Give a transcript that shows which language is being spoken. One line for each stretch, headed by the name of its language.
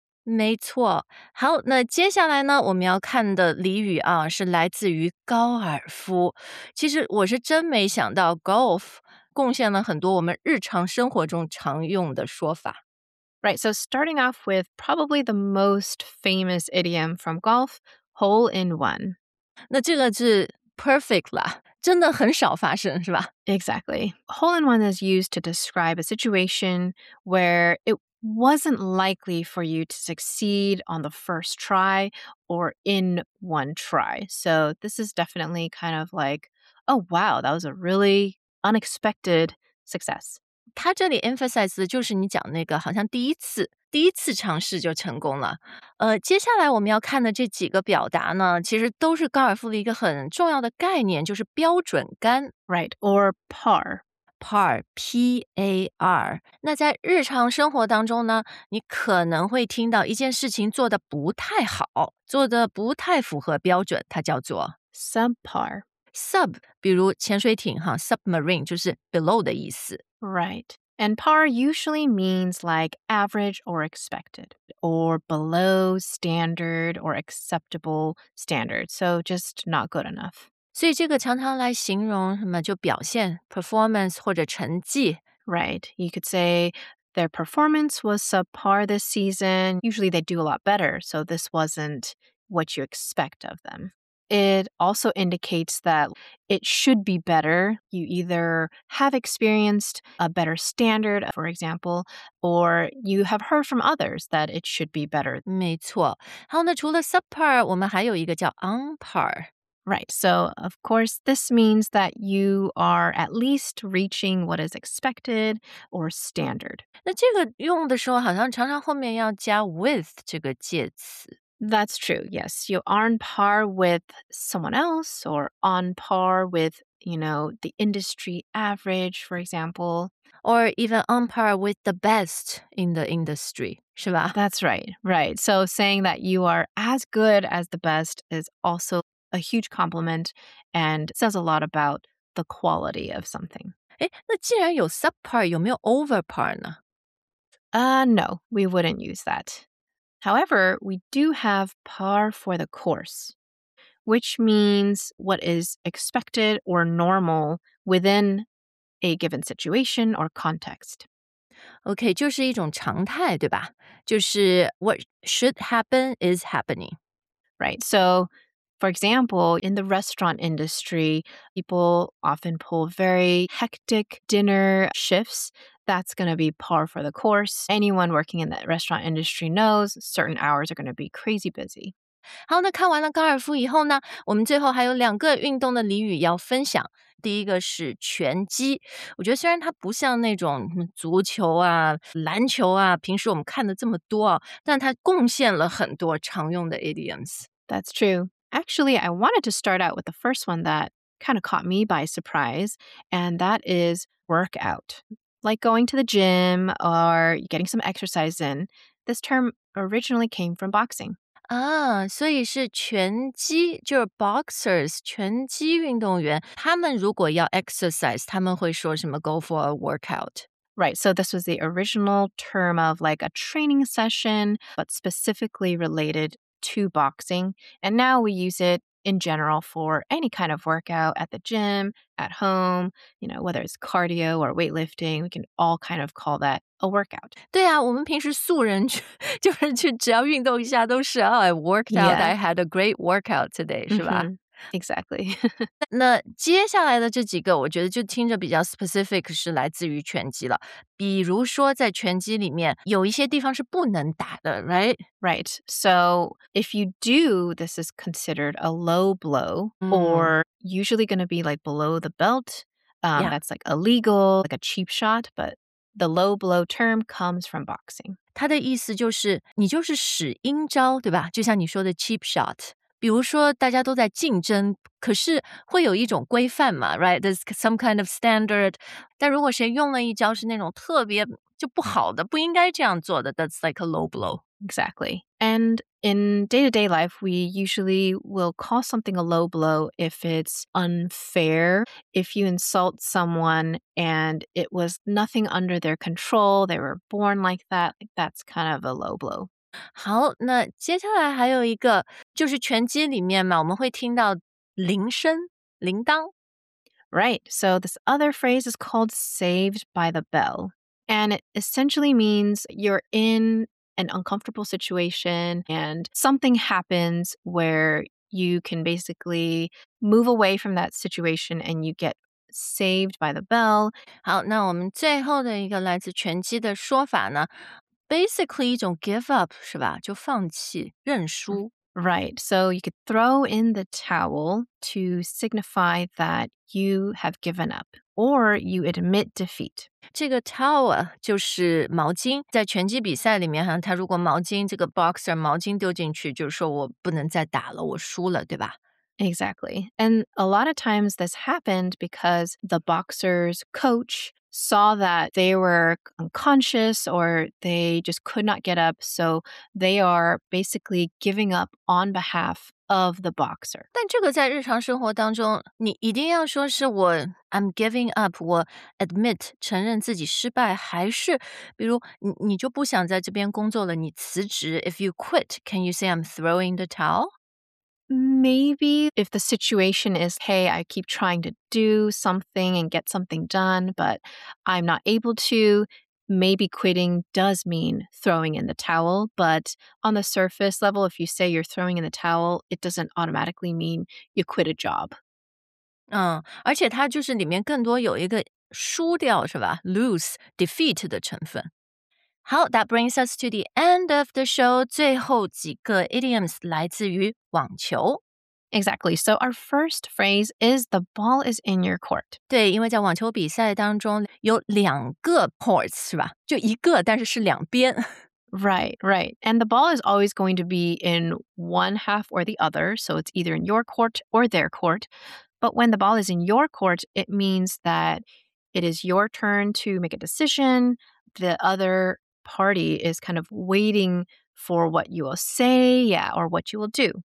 Chinese: 没错。好，那接下来呢，我们要看的俚语啊，是来自于高尔夫。其实我是真没想到 golf 贡献了很多我们日常生活中常用的说法。
English: Right, so starting off with probably the most famous idiom from golf, hole in one.
Chinese: 那这个是 perfect 啦。真的很少发生是吧
English: Exactly. Hole-in-one is used to describe a situation where it wasn't likely for you to succeed on the first try or in one try. So this is definitely kind of like, oh, wow, that was a really unexpected success.
Chinese: 他这里 emphasize 的就是你讲那个好像第一次尝试就成功了。接下来我们要看的这几个表达呢，其实都是高尔夫的一个很重要的概念，就是标准杆
English: ，right or par, par, P A R。
Chinese: 那在日常生活当中呢，你可能会听到一件事情做得不太好，做得不太符合标准，它叫做
English: subpar。
Chinese: Sub, 比如潜水艇哈 ，submarine 就是 below 的意思
English: ，right。 And par usually means like average or expected or below standard or acceptable standard. So just not good enough.
Chinese: 所以这个常常来形容什么就表现 performance 或者成绩
English: Right. You could say their performance was subpar this season. Usually they do a lot better. So this wasn't what you expect of them. It also indicates that it should be better. You either have experienced a better standard, for example, or you have heard from others that it should be better.
Chinese: 没错。好，那除了 subpar, 我们还有一个叫 on par.
English: Right. So, of course, this means that you are at least reaching what is expected or standard.
Chinese: 那这个用的时候好像常常后面要加 with 这个介词。
English: That's true, yes. You are on par with someone else or on par with, you know, the industry average, for example. Or even on par with the best in the industry,
Chinese: 是吧?
English: That's right, right. So saying that you are as good as the best is also a huge compliment and says a lot about the quality of something.
Chinese: 诶,那既然有 subpar, 有没有 overpar 呢?
English: No, we wouldn't use that. However, we do have par for the course, which means what is expected or normal within a given situation or context.
Chinese: Okay, 就是一种常态，对吧？就是
English: what should happen is happening. Right, so for example, in the restaurant industry, people often pull very hectic dinner shifts. That's going to be par for the course. Anyone working in the restaurant industry knows certain hours are going to be crazy busy.
Chinese: 好，那看完了高尔夫以后呢，我们最后还有两个运动的俚语要分享。第一个是拳击，我觉得虽然它不像那种足球啊、篮球啊，平时我们看的这么多啊，但它贡献了很多常用的 idioms.
English: That's true. Actually, I wanted to start out with the first one that kind of caught me by surprise, and that is workout. Like going to the gym or getting some exercise in, this term originally came from boxing.
Chinese: Ah, 所以是拳击，就是 boxers, 拳击运动员。他们如果要 exercise, 他们会说什么
English: go for a workout. Right, so this was the original term of like a training session, but specifically related to boxing. And now we use it in general for any kind of workout at the gym,at home, you know, whether it's cardio or weightlifting, we can all kind of call that a workout.
Chinese: 对啊，我们平时素人就是去只要运动一下都是
English: I worked out, yeah. I had a great workout today,
Chinese: 是吧？
English: Exactly.
Chinese: 那接下来的这几个我觉得就听着比较 specific 是来自于拳击了。比如说在拳击里面有一些地方是不能打的 right?
English: Right. So if you do, this is considered a low blow、mm. or usually going to be like below the belt.、yeah. That's like illegal, like a cheap shot, but the low blow term comes from boxing.
Chinese: 它的意思就是你就是使阴招对吧就像你说的 cheap shot. 比如说大家都在竞争可是会有一种规范嘛 right?
English: There's some kind of standard.
Chinese: 但如果谁用了一招是那种特别就不好的不应该这样做的
English: that's like a low blow. Exactly. And in day-to-day life, we usually will call something a low blow if it's unfair. If you insult someone and it was nothing under their control, they were born like that, that's kind of a low blow.
Chinese: 好那接下来还有一个就是拳击里面嘛我们会听到铃声铃铛。
English: Right, so this other phrase is called saved by the bell. And it essentially means you're in an uncomfortable situation and something happens where you can basically move away from that situation and you get saved by the bell.
Chinese: 好那我们最后的一个来自拳击的说法呢Basically, 一种
English: give up,
Chinese: 是吧？就放弃，认输。
English: Right, so you could throw in the towel to signify that you have given up, or you admit defeat.
Chinese: 这个 towel 就是毛巾，在拳击比赛里面哈，他如果毛巾，这个 boxer 毛巾丢进去，就是说我不能再打了，我输了，对吧？
English: Exactly. And a lot of times this happened because the boxer's coach saw that they were unconscious or they just could not get up. So they are basically giving up on behalf of the boxer.
Chinese: 但这个在日常生活当中你一定要说是我
English: I'm giving up,
Chinese: 我 admit 承认自己失败还是比如 你就不想在这边工作了你辞职
English: If you quit, can you say I'm throwing the towel? Maybe if the situation is, hey, I keep trying to do something and get something done, but I'm not able to, maybe quitting does mean throwing in the towel. But on the surface level, if you say you're throwing in the towel, it doesn't automatically mean you quit a job.
Chinese: 而且它就是里面更多有一个输掉是吧 lose, defeat 的成分。
English: 好 that brings us to the end of the show.
Chinese: 最后几个 idioms 来自于网球。
English: Exactly. So our first phrase is the ball is in your court.
Chinese: 对因为在网球比赛当中有两个 courts, 是吧就一个但是是两边。
English: Right, right. And the ball is always going to be in one half or the other. So it's either in your court or their court. But when the ball is in your court, it means that it is your turn to make a decision. The other,party is kind of waiting for what you will say, yeah, or what you will do.